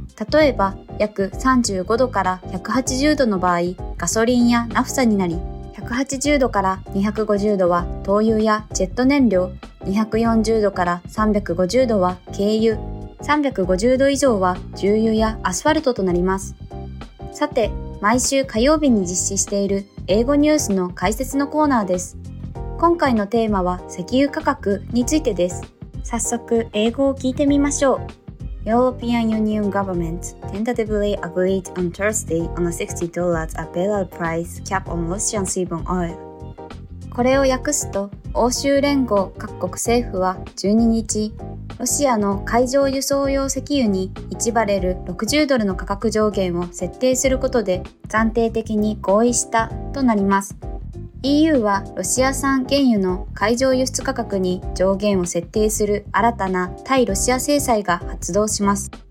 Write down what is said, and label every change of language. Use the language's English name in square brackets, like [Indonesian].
[Japanese] 例えば約35度から180度の場合、ガソリンやナフサになり、180度から250度は灯油やジェット燃料、240度から350度は軽油、350度以上は重油やアスファルトとなります。さて、毎週火曜日に実施している英語ニュースの解説のコーナーです。今回のテーマは石油価格についてです。早速英語を聞いてみましょう。 [English] European Union government tentatively agreed on Thursday on a $60 a barrel price cap on Russian seaborne oil. [Japanese] これを訳すと、欧州連合各国政府は12日、ロシアの海上輸送用石油に1バレル60ドルの価格上限を設定することで暫定的に合意したとなります。 EU はロシア産原油の海上輸出価格に上限を設定する新たな対ロシア制裁が発動します。